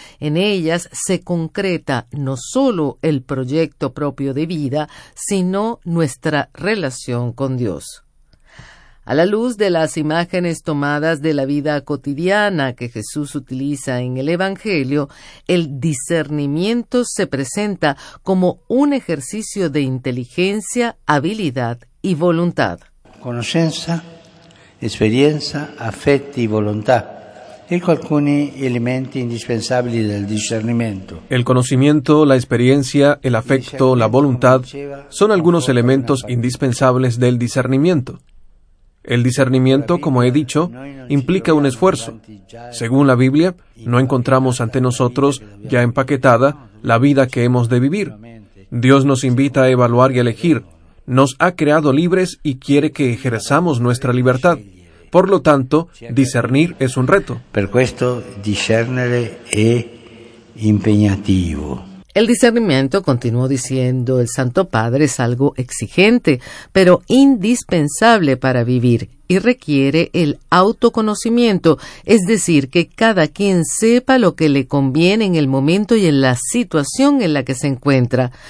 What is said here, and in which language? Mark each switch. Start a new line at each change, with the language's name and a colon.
Spanish: En ellas se concreta no solo el proyecto propio de vida, sino nuestra relación con Dios. A la luz de las imágenes tomadas de la vida cotidiana que Jesús utiliza en el Evangelio, el discernimiento se presenta como un ejercicio de inteligencia, habilidad y voluntad.
Italian: Conoscenza, esperienza, affetti, volontà. Ecco alcuni elementi indispensabili del discernimento.
Spanish: El conocimiento, la experiencia, el afecto, la voluntad son algunos elementos indispensables del discernimiento. El discernimiento, como he dicho, implica un esfuerzo. Según la Biblia, no encontramos ante nosotros, ya empaquetada, la vida que hemos de vivir. Dios nos invita a evaluar y elegir. Nos ha creado libres y quiere que ejerzamos nuestra libertad. Por lo tanto, discernir es un reto.
Italian: Per questo discernere è impegnativo.
Spanish: El discernimiento, continuó diciendo el Santo Padre, es algo exigente, pero indispensable para vivir y requiere el autoconocimiento, es decir, que cada quien sepa lo que le conviene en el momento y en la situación en la que se encuentra,